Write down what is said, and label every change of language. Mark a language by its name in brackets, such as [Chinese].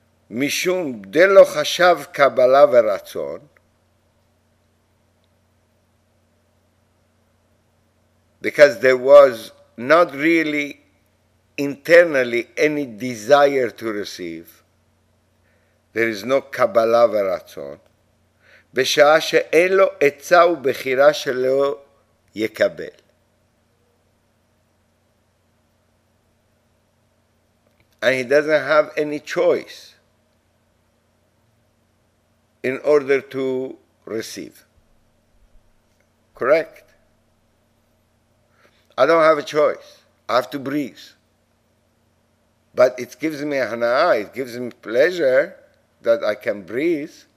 [Hebrew] Mishum delo chashav kabbalah veratzon. [English] Because there was not really internally any desire to receive. There is no kabbalah veratzon. [Hebrew] בשעה שאין לו עצה ובחירה שלא יקבל. [English] And he doesn't have any choice in order to receive. Correct? I don't have a choice. I have to breathe. But it gives me a hana'a, it gives me pleasure that I can breathe.